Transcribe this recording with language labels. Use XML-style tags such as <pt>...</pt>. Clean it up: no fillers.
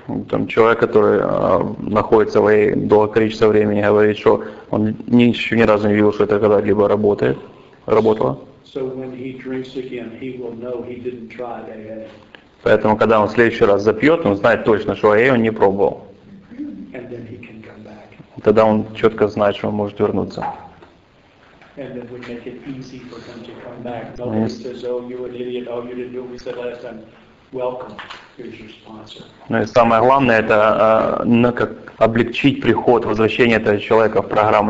<ru>Там человек, который находится в долгое количество времени, говорит, что он еще ни разу не видел, что это когда-либо работало.</ru> <en>So when he drinks again, he will know he didn't try AA.</en> <ru>Поэтому когда он в следующий раз запьет, он знает точно, что AA он не пробовал.</ru> <en>And then he can come back.</en> <ru>Тогда он четко знает, что он может вернуться.</ru> <en>And then we make it easy for him to come back. Nobody says, "Oh, you an idiot! Oh, you didn't do what we said last time." Welcome. Here's your sponsor.</en> <ru>Ну и самое главное — это облегчить приход, возвращение этого человека в программу.</ru>